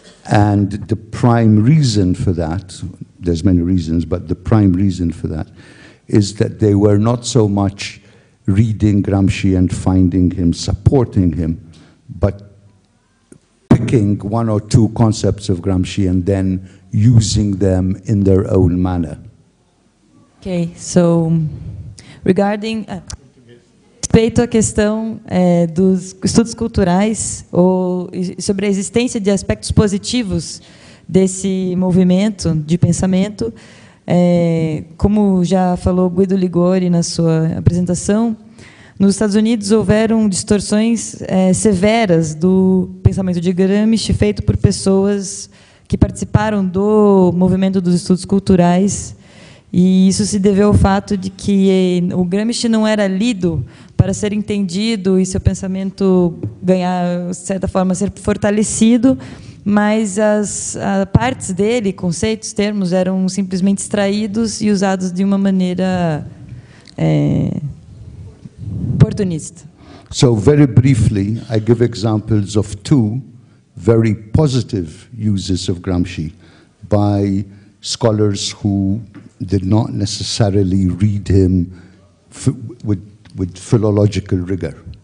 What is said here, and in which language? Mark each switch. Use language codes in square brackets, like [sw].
[en] And the prime reason for that, there's many reasons, but the prime reason for that is that they were not so much reading Gramsci and finding him, supporting him, but picking one or two concepts of Gramsci and then using them in their own manner. Okay, so regarding [pt] respeito à questão dos estudos culturais ou sobre a existência de aspectos positivos desse movimento de pensamento, como já falou Guido Ligori na sua apresentação, Nos Estados Unidos houveram distorções severas do pensamento de Gramsci feito por pessoas que participaram do movimento dos estudos culturais. E isso se deveu ao fato de que o Gramsci não era lido para ser entendido e seu pensamento ganhar, de certa forma, ser fortalecido, mas as partes dele, conceitos, termos, eram simplesmente extraídos e usados de uma maneira oportunista. [en] So very briefly, I give examples of two very positive uses of Gramsci by scholars who did not necessarily read him with philological rigor.